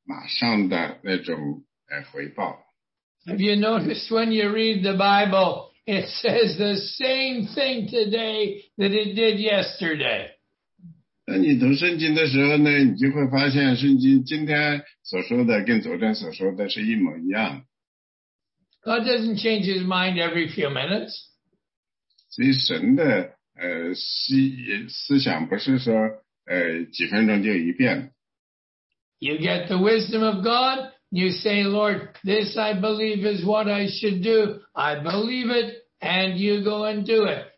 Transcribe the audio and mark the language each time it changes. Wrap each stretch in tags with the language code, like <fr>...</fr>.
<zh>所以呢，不要一直期望着有马上的那种回报。</zh> <en>Have you noticed when you read the Bible, it says the same thing today that it did yesterday.</en> <zh>那你读圣经的时候呢，你就会发现圣经今天所说的跟昨天所说的是一模一样。</zh> <en>God doesn't change his mind every few minutes.</en> <zh>所以神的思想不是说几分钟就一变。</zh> <en>You get the wisdom of God. You say, Lord, this I believe is what I should do. I believe it, and you go and do it.</en>